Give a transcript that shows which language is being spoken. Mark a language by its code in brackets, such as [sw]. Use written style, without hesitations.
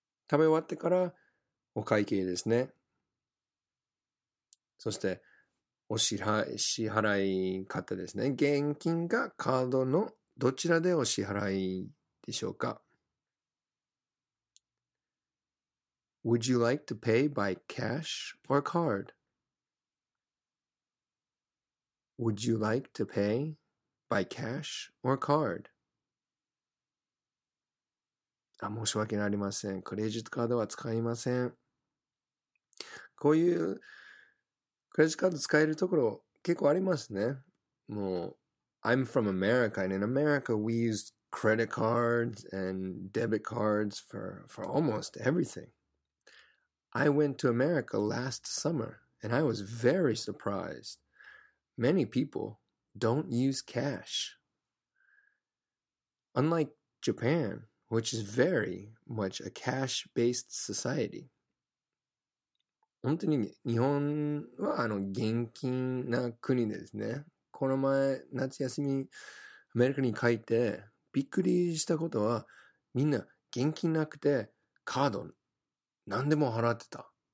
[ja] 食べ終わってからお会計ですね。そしてお支払い方ですね。現金かカードのどちらでお支払いでしょうか? [en] Would you like to pay by cash or card? Would you like to pay by cash or card? [ja] あ、申し訳ありません。クレジットカードは使いません。こういうクレジットカード使えるところ結構ありますね。 [en] もう、I'm from America and in America we use credit cards and debit cards for almost everything. I went to America last summer and I was very surprised. Many people don't use cash. Unlike Japan,Which is very much a cash-based society. [ja] 本当に日本はあの現金な国ですね。この前夏休みアメリカに帰ってびっくりしたことはみんな現金なくてカード何でも払ってた。